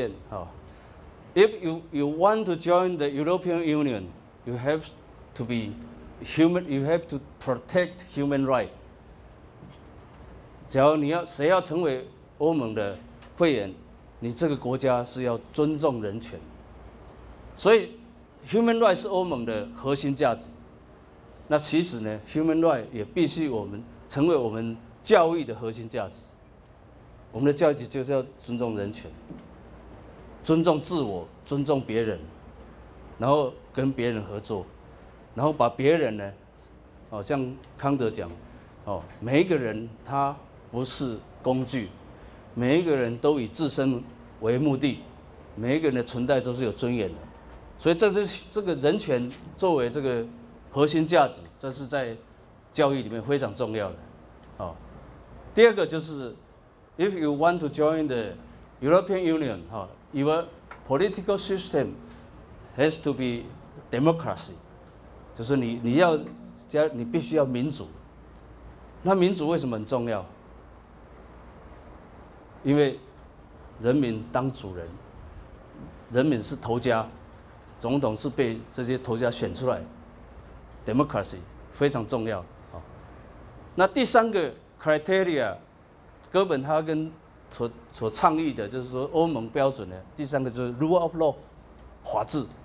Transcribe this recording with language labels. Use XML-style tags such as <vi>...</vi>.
<en>好 ，If you want to join the European Union, you have to be human. You have to protect human rights.</en> <zh>只要你要谁要成为欧盟的会员？你这个国家是要尊重人权，所以 human rights 是欧盟的核心价值。那其实呢， human rights 也必须我们成为我们教育的核心价值。我们的教育就是要尊重人权，尊重自我，尊重别人，然后跟别人合作，然后把别人呢，哦，像康德讲，哦，每一个人他不是工具。每一个人都以自身为目的，每一个人的存在都是有尊严的，所以这个人权作为这个核心价值，这是在教育里面非常重要的。哦，第二个就是</zh> <en>，if you want to join the European Union, your political system has to be democracy，</en> <zh>就是你必须要民主。那民主为什么很重要？因为人民当主人，人民是头家，总统是被这些头家选出来 ，democracy 非常重要。那第三个 criteria， 哥本哈根所倡议的就是说欧盟标准的第三个就是 rule of law， 法治。</zh>